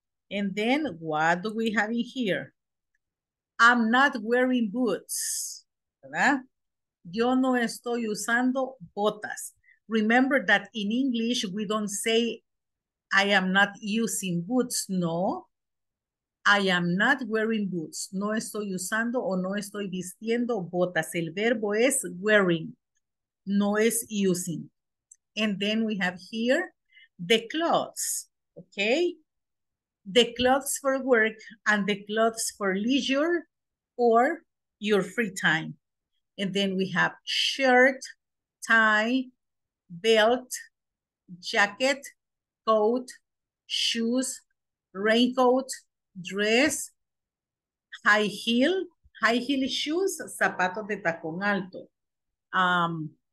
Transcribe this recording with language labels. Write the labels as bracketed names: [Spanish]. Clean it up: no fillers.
[English] And then what do we have in here? I'm not wearing boots. ¿Verdad? [Spanish] Yo no estoy usando botas. [English] Remember that in English, we don't say, I am not using boots. No, I am not wearing boots. [Spanish] No estoy usando o no estoy vistiendo botas. El verbo es wearing. No es using. [English] And then we have here the clothes, okay? The clothes for work and the clothes for leisure or your free time. And then we have shirt, tie, belt, jacket, coat, shoes, raincoat, dress, high heel shoes, [Spanish] zapatos de tacón alto.